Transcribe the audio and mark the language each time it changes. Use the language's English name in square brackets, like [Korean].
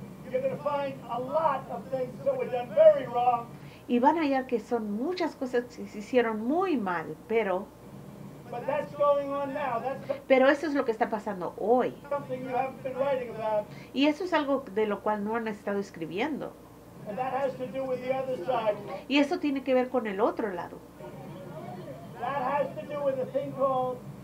[English] You're gonna find a lot of things that were done very wrong. [Spanish] Y van a hallar que son muchas cosas que se hicieron muy mal, pero. [English] But that's going on now. That's [Spanish] pero eso es lo que está pasando hoy. [English] Something you haven't been writing about. [Spanish] Y eso es algo de lo cual no han estado escribiendo. [English] And that has to do with the other side. [Spanish] Y eso tiene que ver con el otro lado. [English] That has to do with a thing called.